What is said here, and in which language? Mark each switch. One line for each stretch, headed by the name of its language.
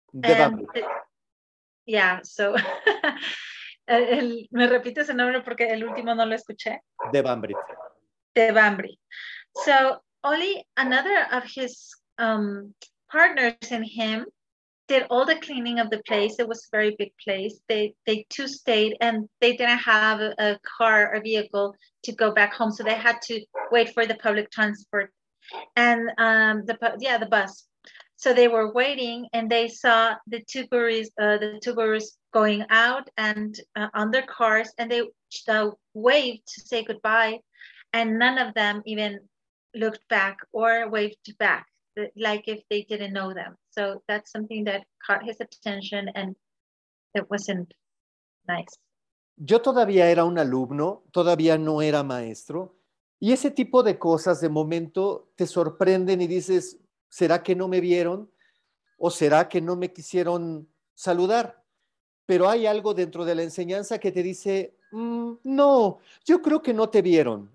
English: Devambrit. Yeah, so
Spanish: me repito ese nombre porque el último no lo escuché. Devambrit.
English: So only another of his partners in him did all the cleaning of the place. It was a very big place. They two stayed and they didn't have a car or vehicle to go back home. So they had to wait for the public transport and the bus. So they were waiting and they saw the two gurus going out and on their cars, and they waved to say goodbye. And none of them even looked back or waved back, like if they didn't know them. So that's something that caught his attention, and it wasn't nice.
Spanish: Yo todavía era un alumno, todavía no era maestro. Y ese tipo de cosas de momento te sorprenden y dices, ¿será que no me vieron? ¿O será que no me quisieron saludar? Pero hay algo dentro de la enseñanza que te dice, no, yo creo que no te vieron.